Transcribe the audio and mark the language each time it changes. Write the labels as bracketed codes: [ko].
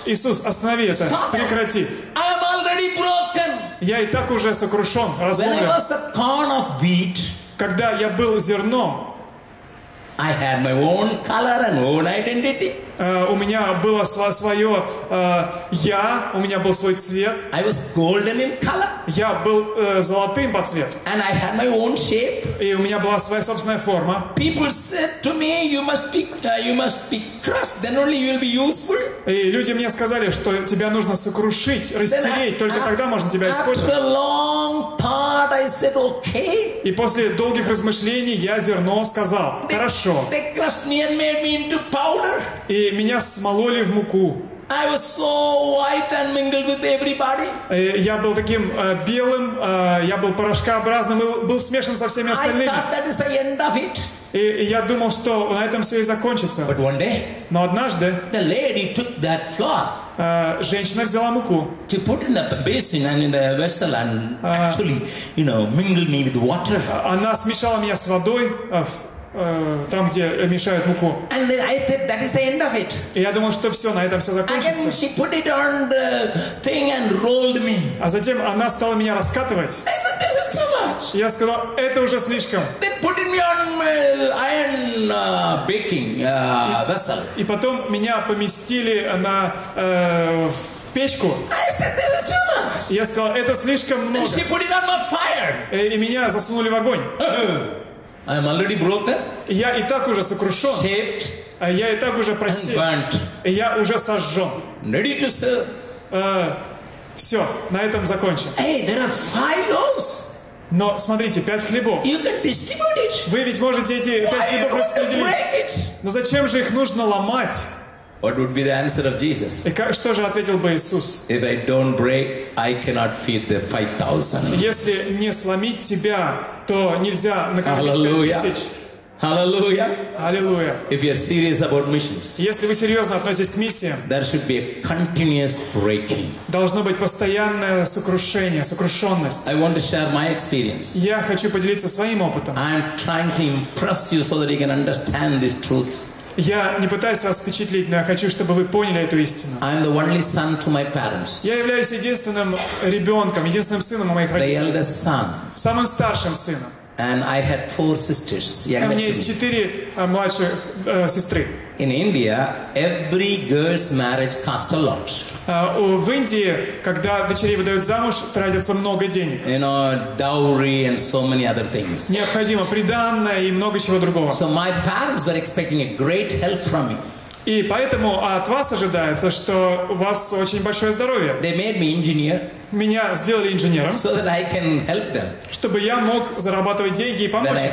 [ru] Иисус, останови это, [en] stop [ru] прекрати. [en] I am already broken. [ru] Я и так уже сокрушен, разломлен. [en] When I was a corn of wheat, [ru] когда я был зерном, [en] I had my own color and own identity. [ru] У меня было свое я, у меня был свой цвет. [en] I was golden in color. [ru] Я был золотым по цвету. [en] And I had my own shape. [ru] И у меня была своя собственная форма. [en] People said to me, you must be crushed, then only you will be useful. [ru] И люди мне сказали, что тебя нужно сокрушить, растереть, только тогда можно тебя использовать. [en] After a long thought, I said, okay. [ru] И после долгих размышлений я зерно сказал, хорошо. [en] They crushed me and made me into powder. [ru] И меня смололи в муку. [en] I was so white and mingled with everybody. [ru] Я был таким белым, я был порошкообразным, был смешан со всеми остальными. [en] I thought that is the end of it. [ru] И я думал, что на этом все и закончится. [en] But one day, [ru] но однажды [en] the lady took that flour, [ru] женщина взяла муку [en] to put in the basin and in the vessel and actually, you know, mingled me with water. [ru] Она смешала меня с водой. Там, где мешают муку. [en] And I said, that is the end of it. [ru] И я думал, что все, на этом все закончится. [en] Again, she put it on the thing and rolled me. [ru] А затем она стала меня раскатывать. [en] I said, this is too much. [ru] Я сказал, это уже слишком. [en] Then putting me on iron baking vessel. [ru] И потом меня поместили на в печку. [en] I said, this is too much. [ru] И я сказал, это слишком много. [en] Then she put it on my fire. [ru] И меня засунули в огонь. [en] I am already broken. [ru] Я и так уже сокрушен. [en] Shaped. [ru] Я и так уже просил. [en] And burnt. [ru] Я уже сожжен. [en] Ready to serve. [ru] Все, на этом закончим. [en] Hey, there are 5 loaves. [ru] Но смотрите, 5 хлебов. [en] You can distribute it. [ru] Вы ведь можете эти 5 хлебов распределить. Но зачем же их нужно ломать? [en] What would be the answer of Jesus? [ru] Что же ответил бы Иисус? [en] If I don't break, I cannot feed the 5,000. [ru] Если не сломить тебя, то нельзя накормить 5,000. [en] Hallelujah. Hallelujah. If you are serious about missions. [ru] Если вы серьезно относитесь к миссиям. [en] There should be a continuous breaking. [ru] Должно быть постоянное сокрушение, сокрушенность. [en] I want to share my experience. [ru] Я хочу поделиться своим опытом. [en] I am trying to impress you so that you can understand this truth. [ru] Я не пытаюсь вас впечатлить, но я хочу, чтобы вы поняли эту истину. [en] I'm the only son to my parents. [ru] Я являюсь единственным ребенком, единственным сыном у моих родителей. [en] The eldest son. [ru] Самым старшим сыном. [en] And I had 4 sisters. [ru] У меня есть 4 младших сестры. [en] In India, every girl's marriage costs a lot. [ru] В Индии, когда дочерей выдают замуж, тратится много денег. [en] You know, dowry and so many other things. [ru] Необходимо приданое и много чего другого. [en] So my parents were expecting a great health from me. [ru] И поэтому от вас ожидается, что у вас очень большое здоровье. [en] They made me engineer. [ru] Меня сделали инженером, [en] so that I can help them. [ru] Чтобы я мог зарабатывать деньги и помочь.